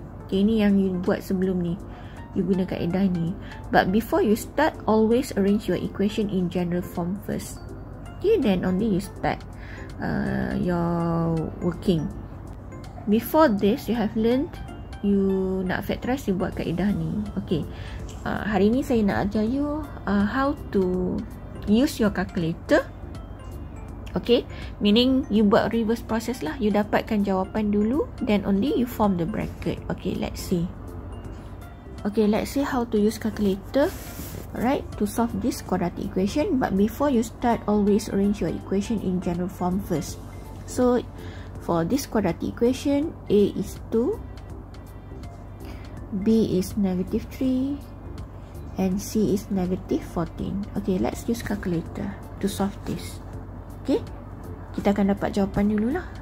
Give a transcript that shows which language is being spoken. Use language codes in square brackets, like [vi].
[ms] Okay, ini yang you buat sebelum ni. You guna kaedah ni. [en] But before you start, always arrange your equation in general form first. Okay, then only you start your working. Before this, you have learned you [ms] nak factorize, you buat kaedah ni. Okay, hari ni saya nak ajar you [en] how to use your calculator. Okay, meaning [ms] you buat reverse process lah. You dapatkan jawapan dulu, [en] then only you form the bracket. Okay, let's see. Okay, let's see how to use calculator, right, to solve this quadratic equation. But before you start, always arrange your equation in general form first. So, for this quadratic equation, a is 2, b is negative 3, and c is negative 14. Okay, let's use calculator to solve this. [ms] Okay, kita akan dapat jawapan dulu lah.